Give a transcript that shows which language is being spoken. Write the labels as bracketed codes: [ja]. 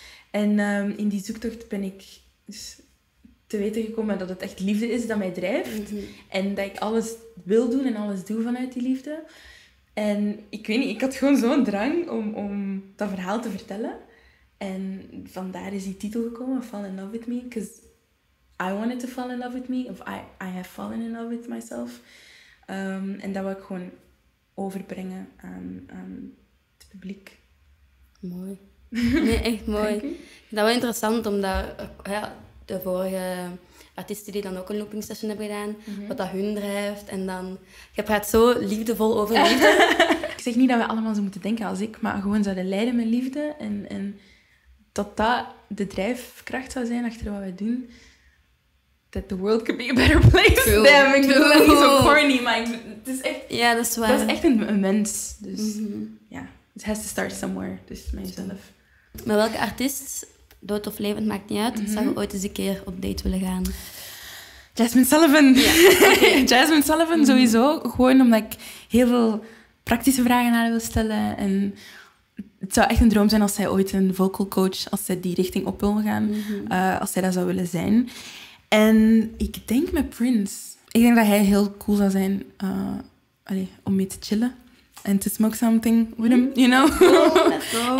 [nl] En in die zoektocht ben ik dus te weten gekomen dat het echt liefde is dat mij drijft. Mm-hmm. En dat ik alles wil doen en alles doe vanuit die liefde. En ik weet niet, ik had gewoon zo'n drang om dat verhaal te vertellen. En vandaar is die titel gekomen, Fall in Love With Me. [en] Because I wanted to fall in love with me. Of I have fallen in love with myself. [nl] En dat wil ik gewoon overbrengen aan het publiek. Mooi. Nee, echt mooi. Dat was interessant, omdat de vorige artiesten die dan ook een looping session hebben gedaan, mm-hmm. wat dat hun drijft. En dan, je praat zo liefdevol over liefde. Ik zeg niet dat we allemaal zo moeten denken als ik, maar gewoon zouden leiden met liefde. En dat dat de drijfkracht zou zijn achter wat wij doen. [en] That the world could be a better place. True. [nl] Damn, ik bedoel dat niet zo corny, maar het is echt... Ja, dat is waar. Dat is echt een mens, dus ja. Mm-hmm. Yeah. [en] It has to start somewhere, [nl] dus mijzelf. Met welke artiest, dood of levend, maakt niet uit, mm-hmm. zou je ooit eens een keer op date willen gaan? Jasmine Sullivan. Yeah. Okay. Jasmine Sullivan, mm-hmm. sowieso. Gewoon omdat ik heel veel praktische vragen naar haar wil stellen. En het zou echt een droom zijn als zij ooit een vocal coach, als zij die richting op wil gaan, mm-hmm. Als zij dat zou willen zijn. En ik denk met Prince. Ik denk dat hij heel cool zou zijn om mee te chillen. [en] En to smoke something with him, you know.